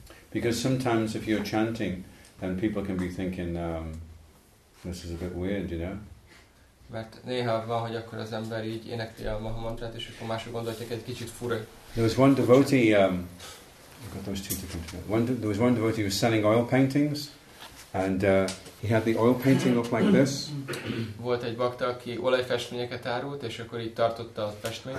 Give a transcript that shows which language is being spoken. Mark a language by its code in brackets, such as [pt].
[en] Because sometimes if you're chanting, then people can be thinking, this is a bit weird, you know? [hu] Mert néha van, hogy akkor az ember így énekli a maha mantrát, és akkor mások gondolják, egy kicsit fura. [en] There was one devotee. I got those two different. There was one devotee who was selling oil paintings, and he had the oil painting up like this. [hu] Volt egy bakta, aki olajfestményeket árult, és akkor így tartotta a festményt.